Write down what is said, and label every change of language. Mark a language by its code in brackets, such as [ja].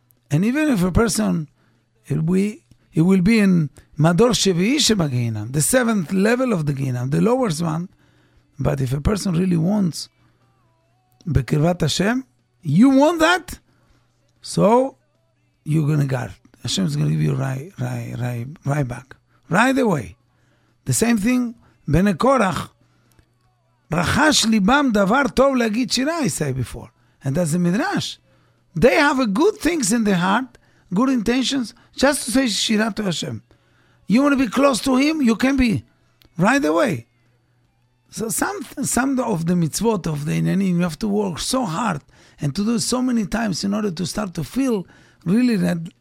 [en] And even if a person, he will be in [he] מדור שביעי שבגיהינם, [en] the seventh level of the גיהינם, the lowest one, but if a person really wants [he] בקרבת השם, [en] you want that, so you're going to guard. Hashem is going to give you right back. Right away. The same thing, [he] בני קורח, רחש ליבם דבר טוב להגיד שירה, [en] I say before. And that's the midrash. They have a good things in their heart, good intentions, just to say שירה to Hashem. You want to be close to him, you can be. Right away. So some of the mitzvot of the inanim, you have to work so hard and to do so many times in order to start to feel really that